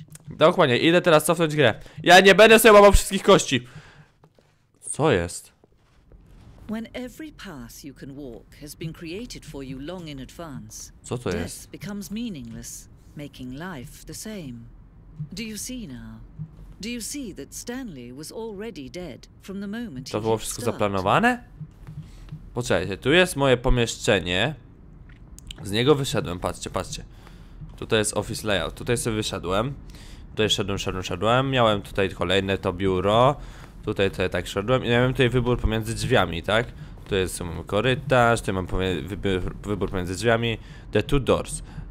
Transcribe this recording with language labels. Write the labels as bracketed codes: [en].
[pl] Dokładnie, idę teraz cofnąć grę. Ja nie będę sobie łamał wszystkich kości. Co jest? [en] When every path you can walk has been created for you long in advance. [pl] Co to jest? [en] Death becomes meaningless, making life the same. Do you see now? Do you see that Stanley was already dead from the moment he [pl] To było wszystko zaplanowane? Poczekajcie, tu jest moje pomieszczenie. Z niego wyszedłem, patrzcie, patrzcie. Tutaj jest office layout, tutaj sobie wyszedłem. Tutaj szedłem. Miałem tutaj kolejne to biuro. Tutaj to ja tak szedłem i miałem tutaj wybór pomiędzy drzwiami, tak? Tu jest mój korytarz, tutaj mam wybór pomiędzy drzwiami. [en] The two doors.